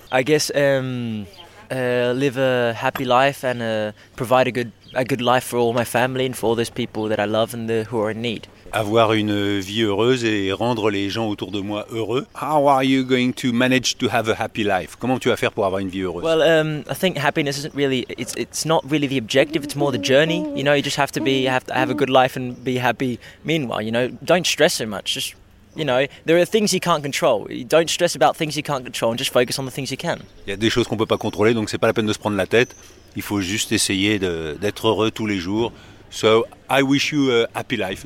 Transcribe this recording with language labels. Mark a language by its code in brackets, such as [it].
[en] I guess live a happy life and provide a good life for all my family and for all those people that I love and who are in need. [fr] Avoir une vie heureuse et rendre les gens autour de moi heureux. [en] How are you going to manage to have a happy life? [fr] Comment tu vas faire pour avoir une vie heureuse? [en] Well, I think happiness isn't really it's not really the objective, it's more the journey. You know, you just have to have a good life and be happy meanwhile, you know. Don't stress so much. Just, you know, there are things you can't control. Don't stress about things you can't control and just focus on the things you can. [fr] Il y a des choses qu'on peut pas contrôler, donc c'est pas la peine de se prendre la tête. Il faut juste essayer d'être heureux tous les jours. [en] So, I wish you a happy life.